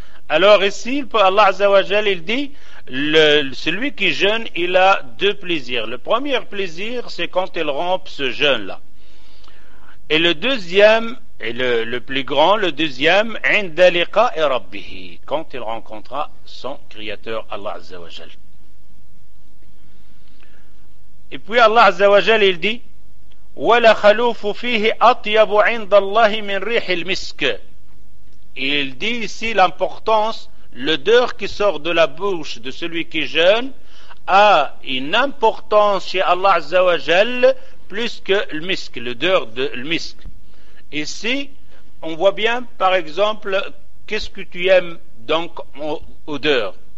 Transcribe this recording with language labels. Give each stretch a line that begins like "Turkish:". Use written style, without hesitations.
French: Alors ici, Allah Azza wa Jal, il dit, celui qui jeûne, il a deux plaisirs. Le premier plaisir, c'est quand il rompt ce jeûne-là. Et le deuxième, et le plus grand, le deuxième,
Arabic: عند لقاء ربه,
French: quand il rencontrera son créateur, Allah Azza wa Jal. Et puis Allah Azza wa Jal, il dit,
Arabic: وَلَا خَلُوفُ فِيهِ أَطْيَبُ عِنْدَ اللَّهِ مِنْ رِيحِ الْمِسْكِ.
French: Il dit ici l'importance, l'odeur qui sort de la bouche de celui qui jeûne a une importance chez Allah Azza wa Jal plus que le misk, l'odeur de le misk. Ici, on voit bien, par exemple, qu'est-ce que tu aimes donc en odeur.